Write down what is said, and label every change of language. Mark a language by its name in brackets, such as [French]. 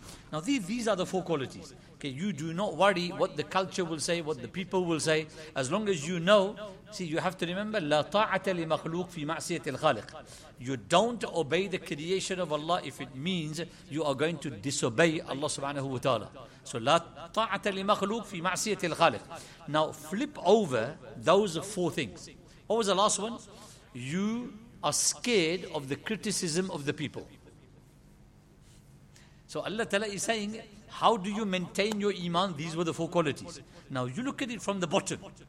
[English] Now these are the four qualities. Okay, you do not worry what the culture will say, what the people will say, as long as you know. See, you have to remember, [Arabic] لا طاعة لمخلوق في معصية الخالق. [English] You don't obey the creation of Allah if it means you are going to disobey Allah subhanahu wa ta'ala. [Arabic] So لا طاعة لمخلوق في معصية الخالق. [English] Now flip over those four things. What was the last one? You are scared of the criticism of the people. So Allah Ta'ala is saying, how do you maintain your iman? These were the four qualities. Now you look at it from the bottom.